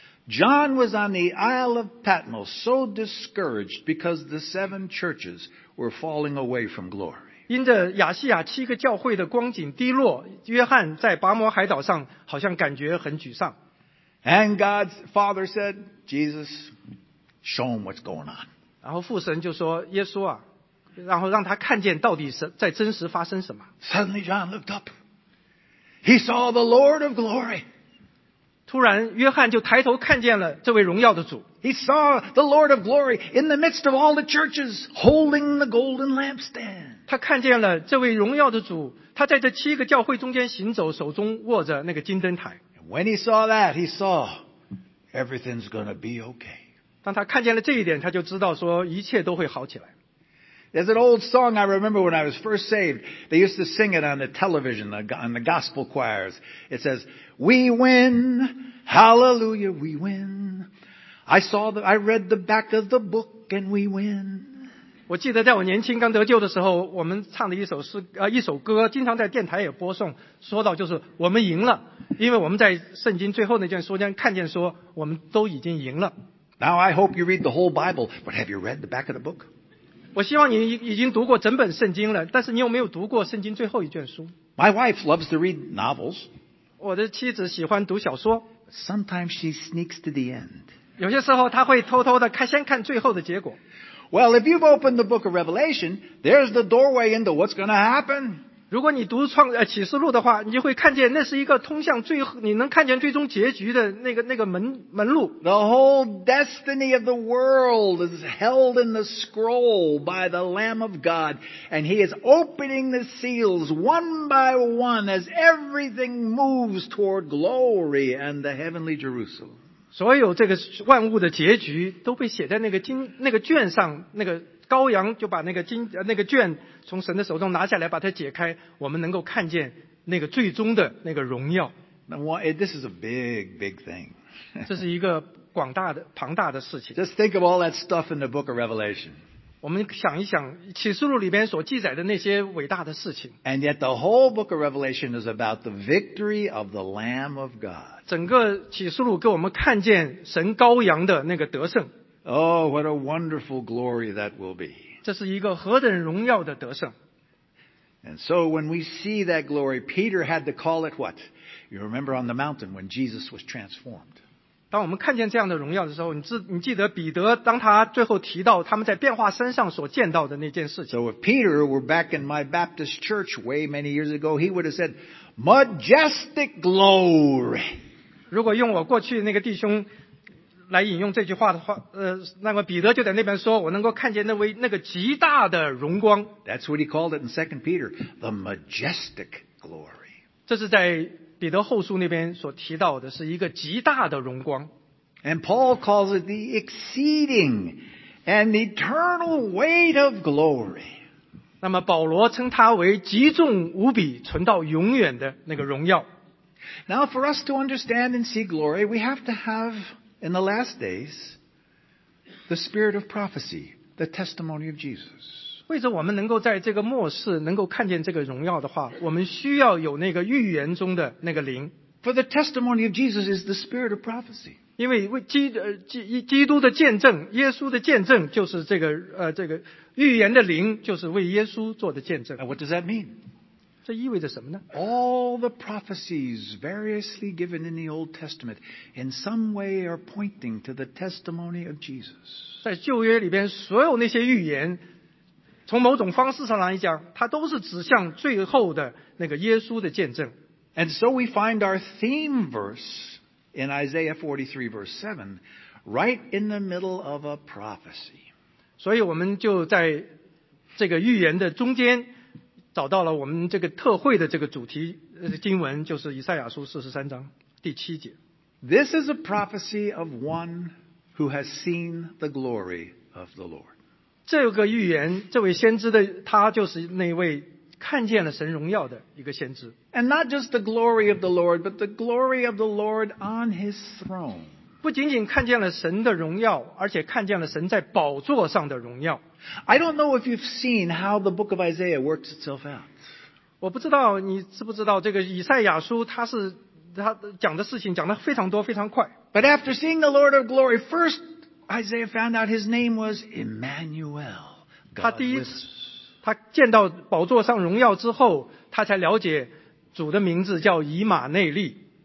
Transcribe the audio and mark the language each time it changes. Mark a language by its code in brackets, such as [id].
[en] John was on the Isle of Patmos so discouraged because the seven churches were falling away from glory. [zh] 因着亚细亚七个教会的光景低落，约翰在拔摩海岛上好像感觉很沮丧。 [en] And God's Father said, Jesus, show him what's going on. [zh] 然后父神就说，耶稣啊，然后让他看见到底是在真实发生什么。 [en] Suddenly John looked up. He saw the Lord of glory. [zh] 突然约翰就抬头看见了这位荣耀的主。 [en] He saw the Lord of glory in the midst of all the churches holding the golden lampstand. [zh] 他看见了这位荣耀的主，他在这七个教会中间行走，手中握着那个金灯台。 [en] When he saw that, he saw everything's going to be okay. [zh] 当他看见了这一点，他就知道说一切都会好起来。 [en] There's an old song I remember when I was first saved. They used to sing it on the television, on the gospel choirs. It says, We win, hallelujah, we win. I read the back of the book and we win. [zh] 我记得在我年轻刚得救的时候，我们唱的一首歌经常在电台也播送，说到就是我们赢了，因为我们在圣经最后那卷书间看见说我们都已经赢了。 [en] Now I hope you read the whole Bible, but have you read the back of the book? [zh] 我希望你已经读过整本圣经了，但是你有没有读过圣经最后一卷书？ [en] My wife loves to read novels. [zh] 我的妻子喜欢读小说。 [en] Sometimes she sneaks to the end. [zh] 有些时候她会偷偷的先看最后的结果。 [en] Well, if you've opened the book of Revelation, there's the doorway into what's going to happen. [zh] 如果你读启示录的话，你就会看见那是一个通向最后，你能看见最终结局的那个门路。 [en] The whole destiny of the world is held in the scroll by the Lamb of God, and He is opening the seals one by one as everything moves toward glory and the heavenly Jerusalem. [zh] 所有这个万物的结局都被写在那个卷上，那个羔羊就把那个卷从神的手中拿下来，把它解开，我们能够看见那个最终的那个荣耀。 [en] This is a big, big thing. [zh] 这是一个广大的庞大的事情。 [en] Just think of all that stuff in the book of Revelation. [zh] 我们想一想启示录里边所记载的那些伟大的事情。 [en] And yet the whole book of Revelation is about the victory of the Lamb of God. [zh] 整个启示录给我们看见神羔羊的那个得胜。 [en] Oh, what a wonderful glory that will be. [zh] 这是一个何等荣耀的得胜。 [en] And so when we see that glory, Peter had to call it what? You remember on the mountain when Jesus was transformed. [zh] 当我们看见这样的荣耀的时候，你记得彼得当他最后提到他们在变化山上所见到的那件事情。 [en] So if Peter were back in my Baptist church way many years ago, he would have said, majestic glory. [zh] 如果用我过去那个弟兄来引用这句话的话，那么彼得就在那边说，我能够看见那个极大的荣光。 [en] That's what he called it in 2 Peter, the majestic glory. [zh] 这是在彼得后书那边所提到的，是一个极大的荣光。 [en] And Paul calls it the exceeding and eternal weight of glory. [zh] 那么保罗称它为极重无比、存到永远的那个荣耀。 [en] Now for us to understand and see glory, we have to have In the last days, the spirit of prophecy, the testimony of Jesus. [zh] 为着我们能够在这个末世能够看见这个荣耀的话，我们需要有那个预言中的那个灵。 [en] For the testimony of Jesus is the spirit of prophecy. [zh] 因为基督的见证，耶稣的见证就是这个预言的灵，就是为耶稣做的见证。 [en] And what does that mean? [zh] 这意味着什么呢？ [en] All the prophecies variously given in the Old Testament in some way are pointing to the testimony of Jesus. [zh] 在旧约里边所有那些预言从某种方式上来讲它都是指向最后的那个耶稣的见证。 [en] And so we find our theme verse in Isaiah 43 verse 7 right in the middle of a prophecy. [zh] 所以我们就在这个预言的中间找到了我们这个特会的这个主题经文，就是以赛亚书43章第七节。 [en] This is a prophecy of one who has seen the glory of the Lord. [zh] 这个预言，这位先知的，他就是那位看见了神荣耀的一个先知。 [en] And not just the glory of the Lord, but the glory of the Lord on his throne. [zh] 不仅仅看见了神的荣耀，而且看见了神在宝座上的荣耀。 [en] I don't know if you've seen how the book of Isaiah works itself out. [zh] 我不知道你知不知道这个以赛亚书它是他讲的事情讲得非常多非常快。 [en] But after seeing the Lord of glory, first Isaiah found out his name was Emmanuel, God with us. [zh] 他见到宝座上荣耀之后，他才了解主的名字叫以马内利。